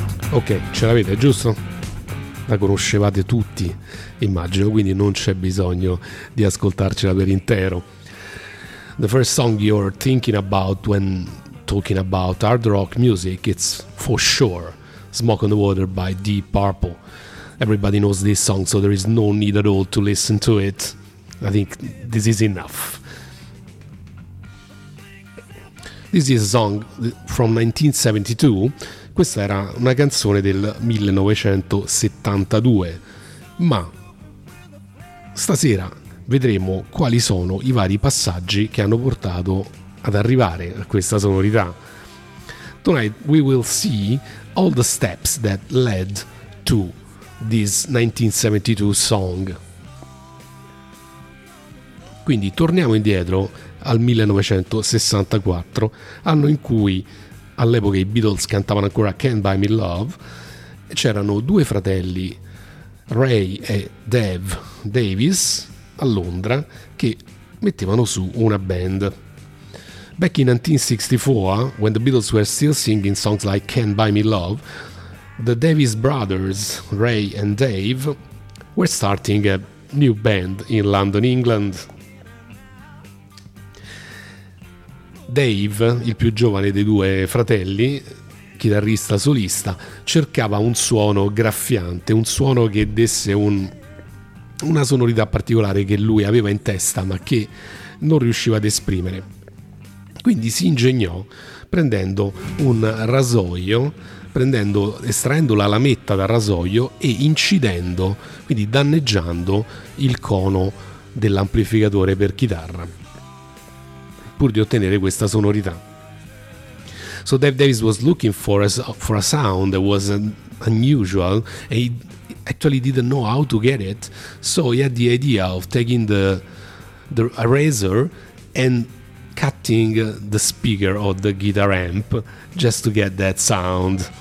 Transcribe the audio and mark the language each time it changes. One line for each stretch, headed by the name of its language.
Italian: Ok, ce l'avete, giusto? La conoscevate tutti, immagino, quindi non c'è bisogno di ascoltarcela per intero.
English: The first song you're thinking about when talking about hard rock music, it's for sure Smoke on the Water by Deep Purple. Everybody knows this song, so there is no need at all to listen to it. I think this is enough. This is a song from 1972.
Italian: Questa era una canzone del 1972, ma stasera vedremo quali sono i vari passaggi che hanno portato ad arrivare a questa sonorità.
English: Tonight we will see all the steps that led to this 1972 song.
Italian: Quindi torniamo indietro al 1964, anno in cui all'epoca i Beatles cantavano ancora Can't Buy Me Love. C'erano due fratelli, Ray e Dave Davis, a Londra, che mettevano su una band.
English: Back in 1964, when the Beatles were still singing songs like Can't Buy Me Love, the Davis brothers, Ray and Dave, were starting a new band in London, England.
Italian: Dave, il più giovane dei due fratelli, chitarrista solista, cercava un suono graffiante, un suono che desse una sonorità particolare che lui aveva in testa ma che non riusciva ad esprimere. Quindi si ingegnò prendendo un rasoio, estraendo la lametta dal rasoio e incidendo, quindi danneggiando, il cono dell'amplificatore per chitarra, pur di ottenere questa sonorità.
English: So Dave Davis was looking for a sound that was unusual, and he actually didn't know how to get it, so he had the idea of taking a razor and cutting the speaker of the guitar amp just to get that sound.